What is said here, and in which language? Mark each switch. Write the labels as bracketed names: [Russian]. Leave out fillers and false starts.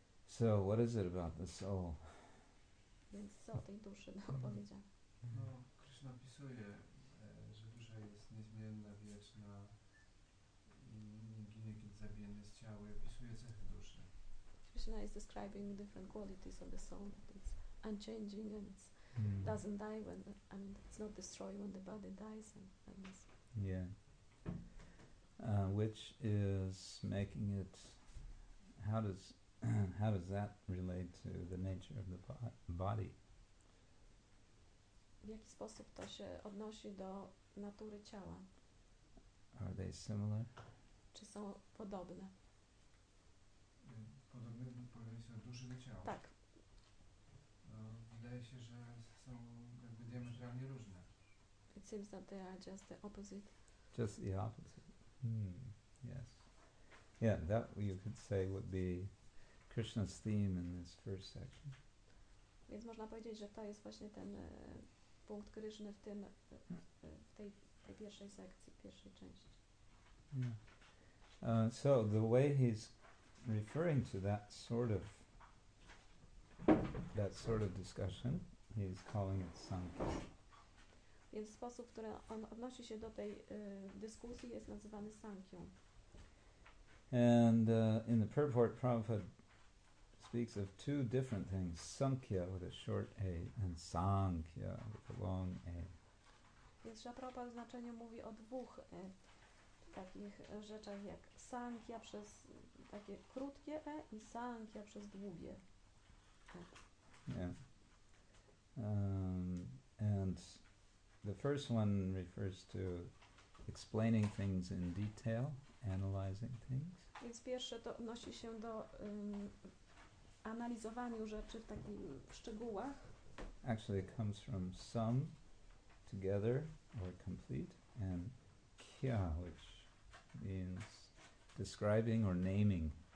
[English] So what is it about the soul? [Polish] Więc co o tej duszy nam powiedział? No, Krishna opisuje, że dusza jest niezmienna, wieczna i nie ginie, kiedy zabijany z ciała, i opisuje cechy duszy. [English] Krishna is describing different qualities of the soul, that it's unchanging and it's doesn't die when it's not destroyed when the body dies and like this. Yeah. Which is making it how does that relate to the nature of the body? [Polish] W jaki sposób to się odnosi do natury ciała? Are they similar? Czy są podobne? Podobne w porównaniu do duszy do ciała. Tak. Wydaje się, że są jakby diametralnie różne. [English] It seems that they are just the opposite. Just the opposite. Yes. Yeah, that you could say would be Krishna's theme in this first section. [Polish] Więc można powiedzieć, że to jest właśnie ten punkt Kryszny w tej pierwszej sekcji, pierwszej części. [English] Yeah. So the way he's referring to that sort of discussion, he's calling it Sankhya. [Polish] Więc sposób, w który on odnosi się do tej dyskusji, jest nazywany Sankhya. [English] And in the purport, Prabhupada speaks of two different things, Sankhya with a short A and Sankhya with a long A. [Polish] Więc Prabhupada w znaczeniu mówi o dwóch takich rzeczach jak Sankhya przez takie krótkie E i Sankhya przez długie E. [English] Yeah. And the first one refers to explaining things in detail, analyzing things. [Polish] Więc pierwsze to odnosi się do analizowaniu rzeczy w takich szczegółach. [English] Actually, it comes from sum, together or complete, and kya, which means describing or naming.